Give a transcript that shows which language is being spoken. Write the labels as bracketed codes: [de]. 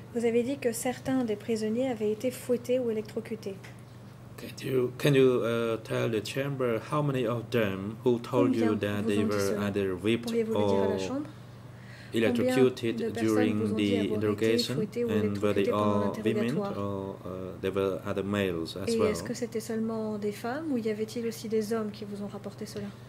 [fr] Vous avez dit que certains des prisonniers avaient été fouettés ou électrocutés. [en] Can you tell the chamber how many of them who told you that they were either whipped or electrocuted during the interrogation, and were they all women or there were other males as well? [fr] Et est-ce que c'était seulement des femmes ou y avait-il aussi des hommes qui vous ont rapporté cela?